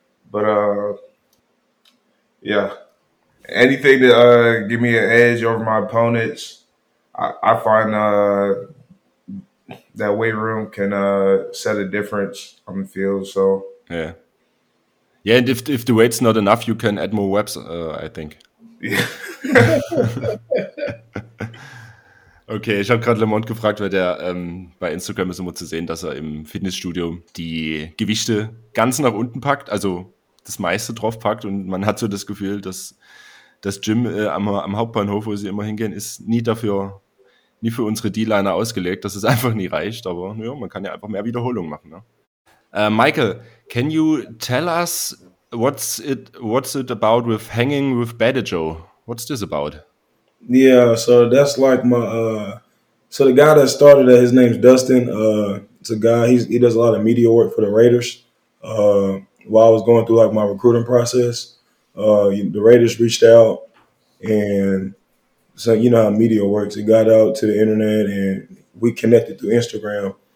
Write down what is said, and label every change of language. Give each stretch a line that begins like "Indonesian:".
English: But yeah, anything to give me an edge over my opponents, I find that weight room can set a difference on the field. So yeah. Yeah, and if the weight's not enough, you can add more reps, I think. Yeah.
German: Okay, ich habe gerade Lamont gefragt, weil der bei Instagram ist immer zu sehen, dass er im Fitnessstudio die Gewichte ganz nach unten packt, also das meiste drauf packt. Und man hat so das Gefühl, dass das Gym am Hauptbahnhof, wo sie immer hingehen, ist nie für unsere D-Liner ausgelegt, dass es einfach nie reicht. Aber ja, man kann ja einfach mehr Wiederholungen machen, ne?
English: Michael, can you tell us what's it about with hanging with Better Joe? What's this about? Yeah, so that's like my so the guy that started it, his name's Dustin. It's a guy, he does a lot of media work for the Raiders. While I was going through like my recruiting process, the Raiders reached out, and so you know how media works. It got out to the internet and we connected through Instagram.